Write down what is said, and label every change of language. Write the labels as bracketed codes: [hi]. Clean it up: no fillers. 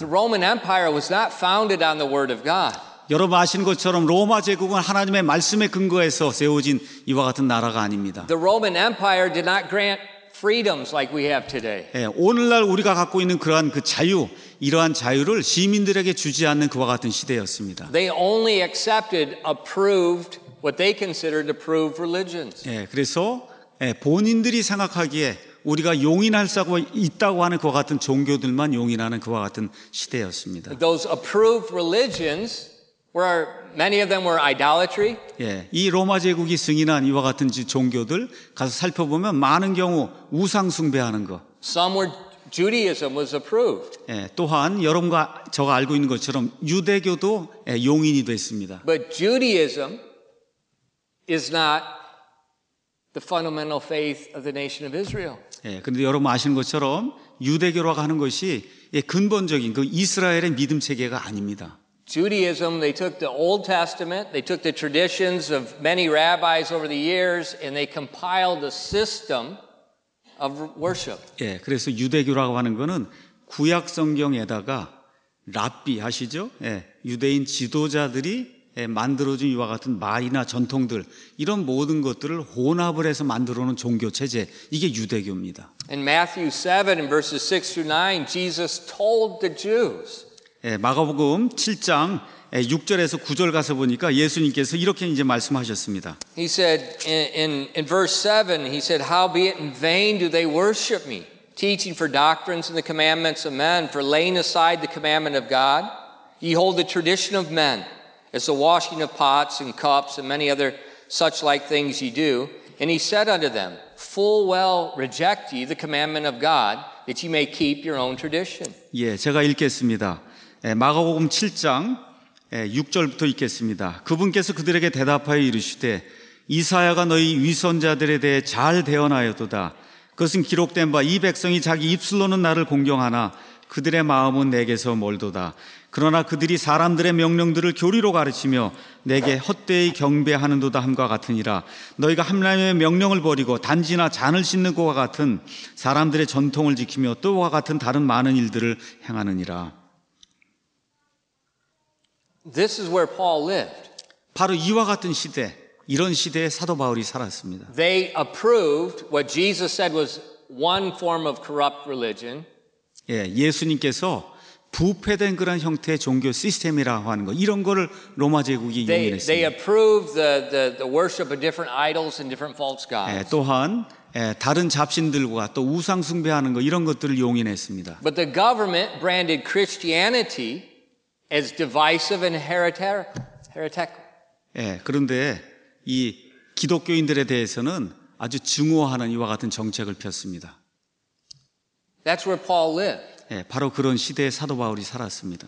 [en] The Roman Empire was not founded on the word of God. [ko] 여러분 아시는 것처럼 로마 제국은 하나님의 말씀에 근거해서 세워진 이와 같은 나라가 아닙니다. [en] The Roman Empire did not grant freedoms like we have today. [ko] 예, 오늘날 우리가 갖고 있는 그러한 그 자유, 이러한 자유를 시민들에게 주지 않는 그와 같은 시대였습니다. [en] They only accepted approved what they considered approved religions. [ko] 예, 그래서 예, 본인들이 생각하기에 우리가 용인할 수 있다고 하는 그와 같은 종교들만 용인하는 그와 같은 시대였습니다. [en] Those approved religions Where many of them were idolatry. [ko] 예, 이 로마 제국이 승인한 이와 같은 종교들 가서 살펴보면 많은 경우 우상 숭배하는 거. [en] Some were Judaism was approved. [ko] 예, 또한 여러분과 저가 알고 있는 것처럼 유대교도 예, 용인이 됐습니다. [en] But Judaism is not the fundamental faith of the nation of Israel. [ko] 예, 그런데 여러분 아시는 것처럼 유대교라고 하는 것이 예, 근본적인 그 이스라엘의 믿음 체계가 아닙니다. [en] Judaism, they took the Old Testament, they took the traditions of many rabbis over the years, and they compiled a system of worship. [ko] 예, 그래서 유대교라고 하는 거는 구약 성경에다가 랍비 아시죠? 예, 유대인 지도자들이 예, 만들어준 이와 같은 말이나 전통들 이런 모든 것들을 혼합을 해서 만들어놓은 종교 체제 이게 유대교입니다. [en] In Matthew 7 in verses 6 through 9, Jesus told the Jews. [ko] 예, 마가복음 7장 6절에서 9절 가서 보니까 예수님께서 이렇게 이제 말씀하셨습니다. [en] He said in verse 7, he said, "Howbeit in vain do they worship me, teaching for doctrines and the commandments of men, for laying aside the commandment of God. Ye hold the tradition of men, as the washing of pots and cups and many other such like things ye do." And he said unto them, "Full well reject ye the commandment of God, that ye may keep your own tradition." [ko] 예, 제가 읽겠습니다. 예, 마가복음 7장 예, 6절부터 읽겠습니다. 그분께서 그들에게 대답하여 이르시되 이사야가 너희 위선자들에 대해 잘 대언하였도다. 그것은 기록된 바 이 백성이 자기 입술로는 나를 공경하나 그들의 마음은 내게서 멀도다. 그러나 그들이 사람들의 명령들을 교리로 가르치며 내게 헛되이 경배하는도다 함과 같으니라. 너희가 함람의 명령을 버리고 단지나 잔을 씻는 것과 같은 사람들의 전통을 지키며 또와 같은 다른 많은 일들을 행하느니라. [en] This is where Paul lived. [ko] 바로 이와 같은 시대, 이런 시대에 사도 바울이 살았습니다. [en] They approved what Jesus said was one form of corrupt religion. [ko] 예, 예수님께서 부패된 그런 형태의 종교 시스템이라고 하는 거, 이런 거를 로마 제국이 용인했습니다. [en] They approved the worship of different idols and different false gods. [ko] 예, 또한 예, 다른 잡신들과 또 우상 숭배하는 거 이런 것들을 용인했습니다. [en] But the government branded Christianity as divisive and heretic. [ko] 예, 그런데 이 기독교인들에 대해서는 아주 증오하는 이와 같은 정책을 폈습니다. [en] That's where Paul lived. [ko] 예, 바로 그런 시대에 사도 바울이 살았습니다.